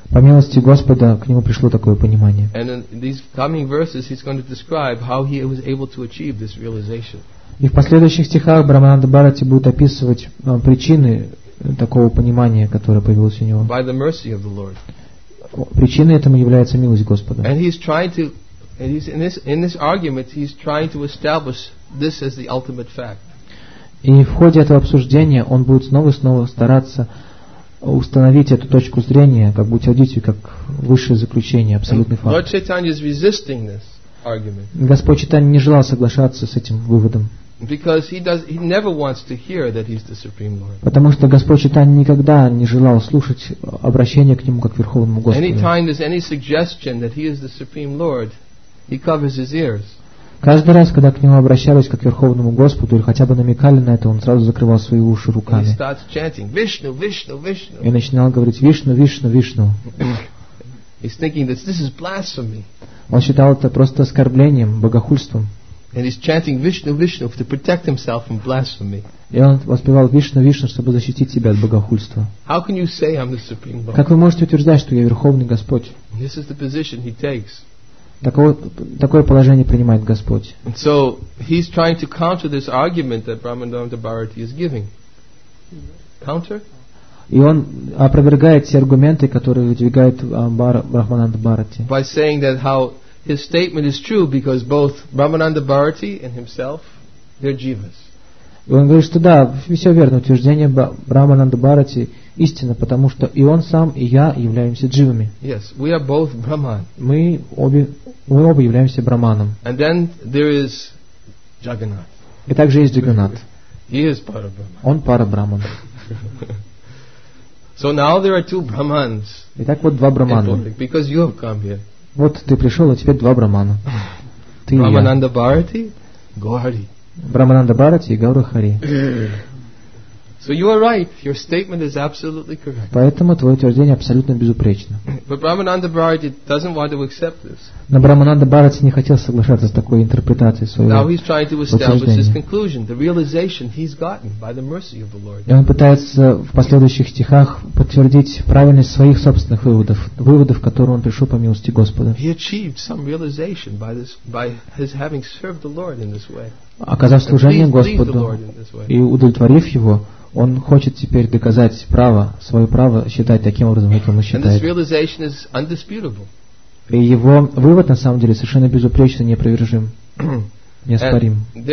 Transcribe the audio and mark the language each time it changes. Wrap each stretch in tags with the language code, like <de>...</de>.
<ru>По милости Господа к нему пришло такое понимание. И в последующих стихах Брамананда Бхарати будет описывать причины такого понимания, которое появилось у него.</ru> <en>By the mercy of the Lord.</en> <ru>Причиной этому является милость Господа.</ru> <en>And he's trying to And he's in this argument, he's trying to establish this as the ultimate fact.</en> <ru>И в ходе этого обсуждения он будет снова и снова стараться установить эту точку зрения, как бы утвердить ее как высшее заключение, абсолютный факт.</ru> <en>Lord Chaitanya is resisting this argument.</en> <ru>Господь Чайтанья не желал соглашаться с этим выводом.</ru> <en>Because he never wants to hear that he's the Supreme Lord.</en> <ru>Потому что Господь Чайтанья никогда не желал слушать обращение к нему как Верховному Господу.</ru> <en>Anytime there's any suggestion that he is the Supreme Lord, he covers his ears.</en> <ru>Каждый раз, когда к нему обращались как к Верховному Господу или хотя бы намекали на это, он сразу закрывал свои уши руками.</ru> <en>He starts chanting, Vishnu, Vishnu, Vishnu.</en> <ru>И начинал говорить Вишну, Вишну, Вишну.</ru> <en>He's thinking that this is blasphemy.</en> <ru>Он считал это просто оскорблением, богохульством.</ru> <en>And he's chanting Vishnu, Vishnu to protect himself from blasphemy.</en> <ru>И он воспевал Вишну, Вишну, чтобы защитить себя от богохульства.</ru> <en>How can you say I'm the Supreme Lord?</en> <ru>Как вы можете утверждать, что я Верховный Господь?</ru> <en>This is the position he takes.</en> <ru>Такое положение принимает Господь.</ru> <en>And so he's trying to counter this argument that Brahmananda Bharati is giving. Counter?</en> <ru>И он опровергает все аргументы, которые выдвигает Брахмананда Бхарати.</ru> <en>By saying that how his statement is true because both Brahmananda Bharati and himself, they're jivas.</en> <ru>И он говорит, что да, все верно, утверждение Брахмананда Бхарати истина, потому что и он сам, и я являемся дживами.</ru> <en>Yes, we are both Brahman.</en> <ru>Мы оба являемся Брахманом.</ru> <en>And then there is Jagannath.</en> <ru>И также есть Джаганнат.</ru> <en>He is Parabrahman.</en> <ru>Он Парабрахман.</ru> <en>So now there are two Brahmans.</en> <ru>И так вот два Брахмана.</ru> <en>Because you have come here.</en> <ru>Вот ты пришел, а теперь два Брахмана. Ты и Брахмананда Бхарати, Гаури. Брахмананда Бхарати и Гаура Хари.</ru> <en>So you are right. Your statement is absolutely correct.</en> <ru>Поэтому твое утверждение абсолютно безупречно.</ru> <en>But Brahmananda Bharati doesn't want to accept this.</en> <ru>Но Брахмананда Бхарати не хотел соглашаться с такой интерпретацией своего утверждения.</ru> <en>Now he's trying to establish his conclusion, the realization he's gotten by the mercy of the Lord.</en> <ru>И он пытается в последующих стихах подтвердить правильность своих собственных выводов, выводов, которые он пришел по милости Господа.</ru> <en>He achieved some realization by this, by his having served the Lord in this way.</en> <ru>Оказав служение Господу и удовлетворив его, он хочет теперь доказать право, свое право считать таким образом, как он считает. И его вывод, на самом деле, совершенно безупречно неопровержим, неоспорим.</ru>